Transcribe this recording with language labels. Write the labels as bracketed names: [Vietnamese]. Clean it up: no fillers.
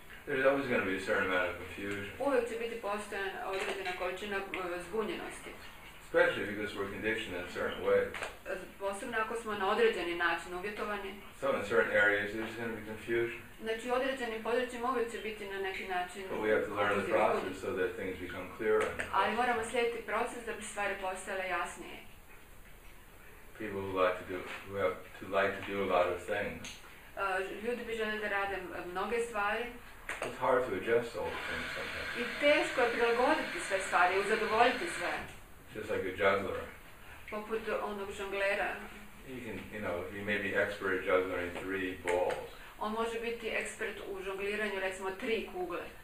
[English] There's always going to be a certain amount of confusion. [Croatian] Uvijek će biti postojan određena količina zbunjenosti. [English] Especially because we're conditioned in a certain way. [Croatian] Posebno ako smo na određeni način uvjetovani. [English] So in certain areas there's going to be confusion. [Croatian] Znači u određenim područjima uvijek će biti na neki način. [English] But we have to learn the process so that things become clearer. [Croatian] Ali moramo slijediti proces da bi stvari postale jasnije. [English] People who like to do a lot of things. [Croatian] Ljudi bi želeli da rade mnoge stvari. [English] It's hard to adjust all the things sometimes. [Croatian] I teško je prilagoditi sve stvari, uzadovoljiti sve. [English] Just like a juggler. [Croatian] Poput onog žonglera. [English] You may be expert at juggling three balls. [Croatian] On može biti ekspert u žongliranju, recimo, tri kugle.